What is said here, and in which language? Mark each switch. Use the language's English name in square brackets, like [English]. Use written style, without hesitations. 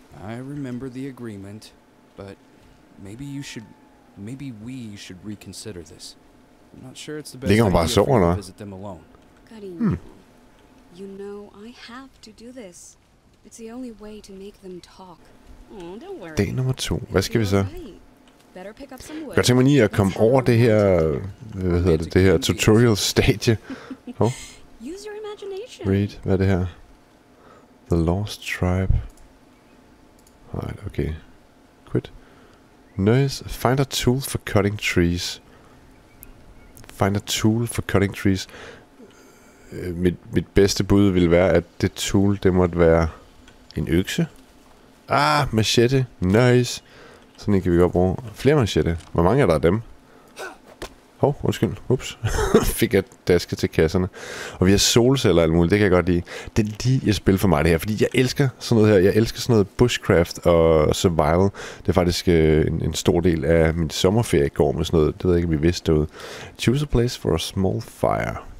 [English] I remember the agreement, but maybe you should, maybe we should reconsider this. [Danish] Ligger hun bare og sover, eller hvad? [English] Karin, you know, I have to do this. It's the only way to make them talk. [Danish] Dag nummer 2. Hvad skal vi så? Jeg kan tænke mig lige at komme over det her... Hvad hedder det? Det her tutorial-stadie. [English] Use your imagination. Read. [Danish] Hvad er det her? [English] The Lost Tribe. Alright, okay. Quit. Nice. Find a tool for cutting trees. Find a tool for cutting trees. [Danish] Mit bedste bud vil være, at det tool, det måtte være... En økse? Ah, machete. Nice. Sådan en kan vi godt bruge. Flere machete. Hvor mange er der af dem? Hov, undskyld. Ups. Fik jeg daske til kasserne. Og vi har solceller og alt muligt. Det kan jeg godt lide. Det er lige et spil for mig, det her. Fordi jeg elsker sådan noget her. Jeg elsker sådan noget bushcraft og survival. Det er faktisk en stor del af min sommerferie i går med sådan noget. Det ved jeg ikke, om I vidste derude. [English] Choose a place for a small fire.